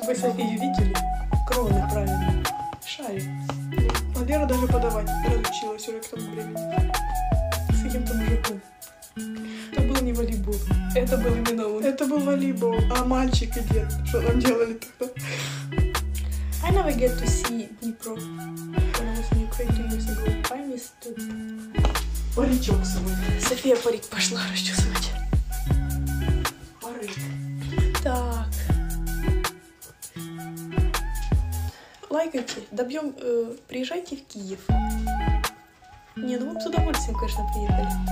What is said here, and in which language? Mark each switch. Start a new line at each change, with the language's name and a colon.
Russian: Вы Софию видели? Кроны, правильно. Шари. А Лера даже подавать разучилась уже к тому времени. С каким-то мужиком. Это был не волейбол. Это был именно он. Это был волейбол. А мальчик и дед, что там делали тогда?
English: I never get to see Dnipro. When I was in Ukraine 2 years ago, I missed it.
Russian: Паричок с собой. София парик пошла расчесывать. Парик. Так. Лайкайте. Приезжайте в Киев. Не, ну мы бы с удовольствием, конечно, приехали.